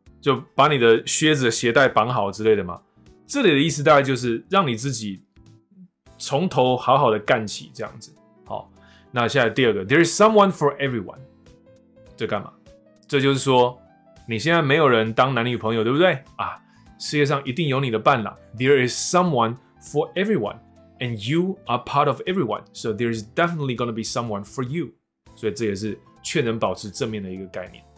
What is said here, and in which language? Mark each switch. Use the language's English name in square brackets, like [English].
[Chinese] 就把你的靴子的鞋带绑好之类的嘛。这里的意思大概就是让你自己从头好好的干起这样子。好，那现在第二个 ， [English] There is someone for everyone， [Chinese] 这干嘛？这就是说你现在没有人当男女朋友，对不对啊？世界上一定有你的伴啦。 [English] There is someone for everyone， and you are part of everyone， so there is definitely gonna be someone for you。 [Chinese] 所以这也是劝人保持正面的一个概念。